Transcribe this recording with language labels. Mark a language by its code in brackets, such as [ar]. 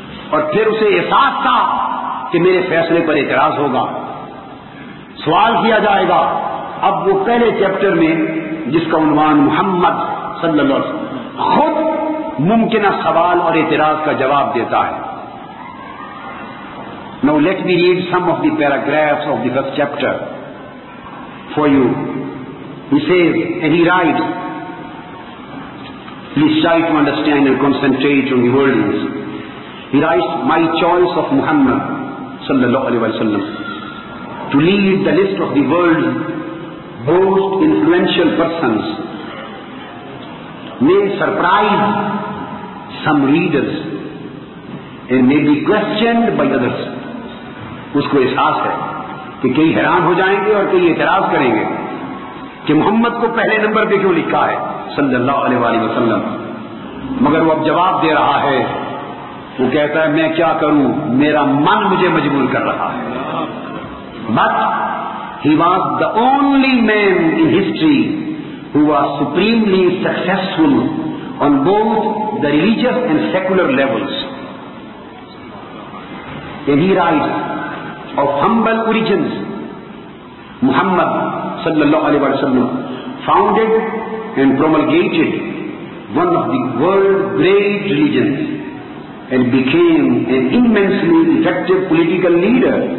[ur] اور پھر اسے احساس تھا کہ میرے فیصلے پر اعتراض ہوگا، سوال کیا جائے گا. اب وہ پہلے چیپٹر میں جس کا عنوان محمد صلی اللہ علیہ وسلم، خود ممکنہ سوال اور اعتراض کا جواب دیتا ہے. [en] Now let me read some of the paragraphs of the first chapter for you. He says, and he writes, please try to understand and concentrate on the wordings. He writes, my choice of Muhammad sallallahu alaihi wasallam to lead the list of the world's most influential persons may surprise some readers and may be questioned by others. [ur] اس کو احساس ہے کہ کئی حیران ہو جائیں گے اور کئی اعتراض کریں گے کہ محمد کو پہلے نمبر پہ کیوں لکھا ہے صلی اللہ علیہ وآلہ وسلم. مگر وہ اب جواب دے رہا ہے، وہ کہتا ہے میں کیا کروں، میرا من مجھے مجبور کر رہا ہے. [en] But he was the only man in history who was supremely successful on both the religious and secular levels. And he writes, of humble origins, Muhammad sallallahu alaihi wasallam founded and promulgated one of the world's great religions and became an immensely effective political leader.